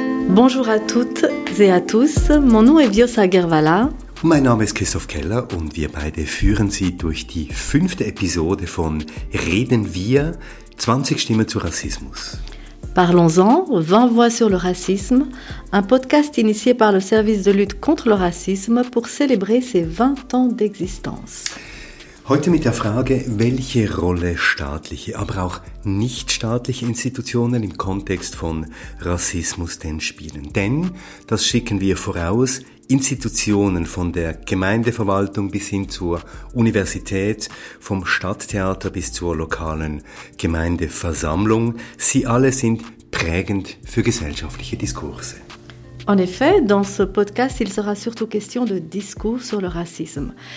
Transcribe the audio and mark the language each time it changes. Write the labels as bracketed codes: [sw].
[fr] Bonjour à toutes et à tous. Mon nom est Viosa Gervala. [de] Mein Name ist Christoph Keller und wir beide führen Sie durch die 5. Episode von Reden wir 20 Stimmen zu Rassismus. [fr] Parlons-en, 20 voix sur le racisme, un podcast initié par le service de lutte contre le racisme pour célébrer ses 20 ans d'existence. [de] Heute mit der Frage, welche Rolle staatliche, aber auch nicht staatliche Institutionen im Kontext von Rassismus denn spielen. Denn, das schicken wir voraus, Institutionen von der Gemeindeverwaltung bis hin zur Universität, vom Stadttheater bis zur lokalen Gemeindeversammlung, sie alle sind prägend für gesellschaftliche Diskurse. [fr] En effet, dans ce podcast, il sera surtout question de discours sur le racisme.